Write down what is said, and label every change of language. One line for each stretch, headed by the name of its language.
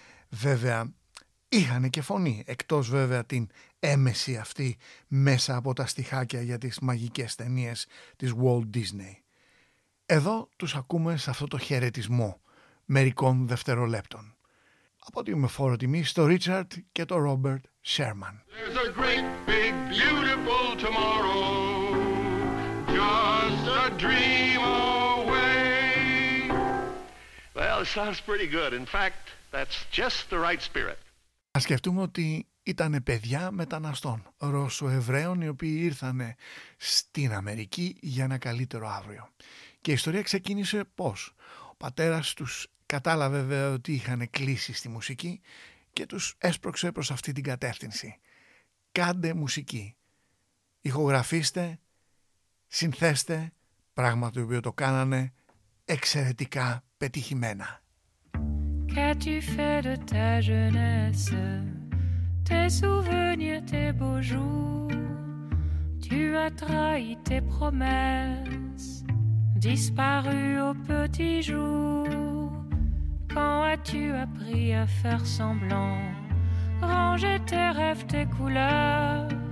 Greek: Βέβαια, είχαν και φωνή, εκτός βέβαια την έμεση αυτή μέσα από τα στιχάκια για τις μαγικές ταινίες της Walt Disney. Εδώ τους ακούμε σε αυτό το χαιρετισμό μερικών δευτερολέπτων. Αποτείνουμε φόρο τιμή στο Richard και το Robert Sherman.
English: There's a great big beautiful tomorrow, just a dream away. Well, it sounds pretty good. In fact, that's just the right spirit.
Greek: Ας σκεφτούμε ότι ήταν παιδιά μεταναστών, Ρώσο-Εβραίων, οι οποίοι ήρθαν στην Αμερική για ένα καλύτερο αύριο. Και η ιστορία ξεκίνησε πώς. Ο πατέρας τους κατάλαβε βέβαια ότι είχαν κλείσει στη μουσική και τους έσπρωξε προς αυτή την κατεύθυνση. Κάντε μουσική. Ηχογραφήστε, συνθέστε, πράγμα το οποίο το κάνανε εξαιρετικά πετυχημένα.
French: Qu'as-tu fait de ta jeunesse, tes souvenirs, tes beaux jours? Tu as trahi tes promesses, disparu au petit jour. Quand as-tu appris à faire semblant, ranger tes rêves, tes couleurs?